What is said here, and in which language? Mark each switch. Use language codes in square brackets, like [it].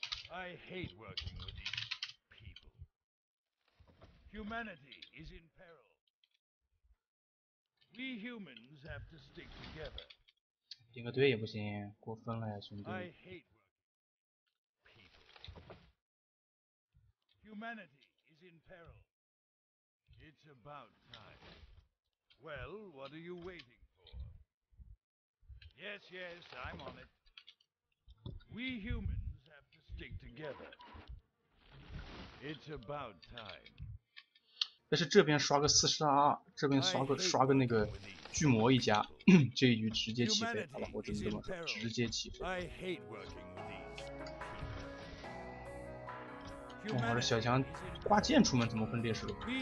[en] I hate working with these people. Humanity is in peril. We humans have to stick together. [zh] 顶个队也不行，过分了呀，兄弟。 [en] I hate working with people. Humanity is in peril. It's about time. Well, what are you waiting for? Yes, yes, I'm on it. We humans have to stick together. It's about time. [zh] 但是这边刷个42，这边刷个那个巨魔一家，这一局直接起飞，好吧，我只能这么说，直接起飞。哇，这小强挂剑出门怎么分劣势路？